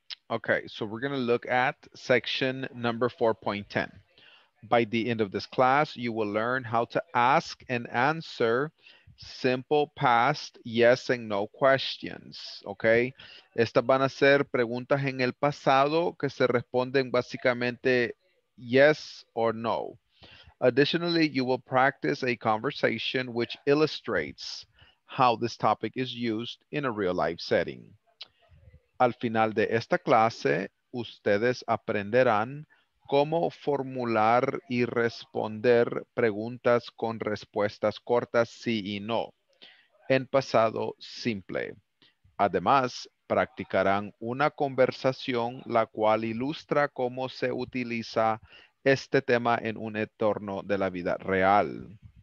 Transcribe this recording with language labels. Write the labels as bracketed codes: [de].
[en] Okay, so we're gonna look at section number 4.10. By the end of this class, you will learn how to ask and answer simple past yes and no questions, okay? [es] Estas van a ser preguntas en el pasado que se responden básicamente [en] yes or no. Additionally, you will practice a conversation which illustrates how this topic is used in a real life setting. [es] Al final de esta clase, ustedes aprenderán cómo formular y responder preguntas con respuestas cortas sí y no, en pasado simple. Además, practicarán una conversación la cual ilustra cómo se utiliza este tema en un entorno de la vida real.